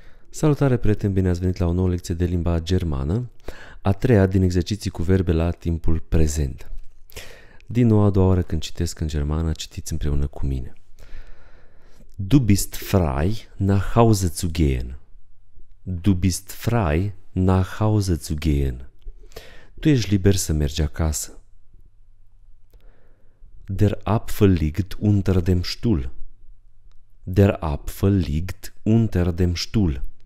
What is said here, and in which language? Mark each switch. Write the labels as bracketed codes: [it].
[ro] Salutare, prieteni, bine ați venit la o nouă lecție de limba germană, a treia din exerciții cu verbe la timpul prezent. Din nou, a doua oară când citesc în germană, citiți împreună cu mine. [de] Du bist frei nach Hause zu gehen. Du bist frei nach Hause zu gehen. [ro] Tu ești liber să mergi acasă. [de] Der Apfel liegt unter dem Stuhl. Der Apfel liegt unter dem Stuhl.